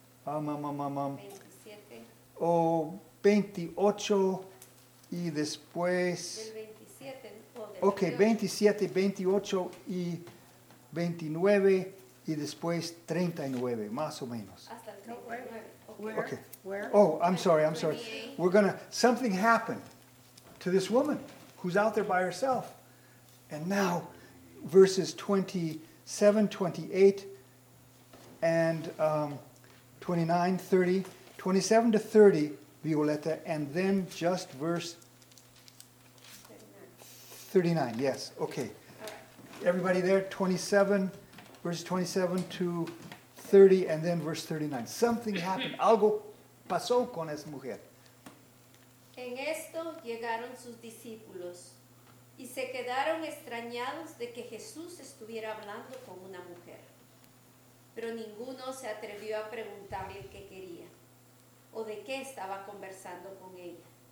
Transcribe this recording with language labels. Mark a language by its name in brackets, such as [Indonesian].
[Spanish] 27. 28 y después. Del 27. Ok, 27, 28 y 29 y después 39, más o menos. Hasta el 39. [English] Where? Oh, I'm sorry. Something happened to this woman who's out there by herself. And now, verses 27, 28, and 29, 30, 27 to 30, Violeta, and then just verse 39, yes, okay. Everybody there, 27, verse 27 to 30, and then verse 39. Something happened. [Spanish] Algo pasó con esa mujer. En esto llegaron sus discípulos, y se quedaron extrañados de que Jesús estuviera hablando con una mujer. Pero ninguno se atrevió a preguntarle qué quería o de qué estaba conversando con ella.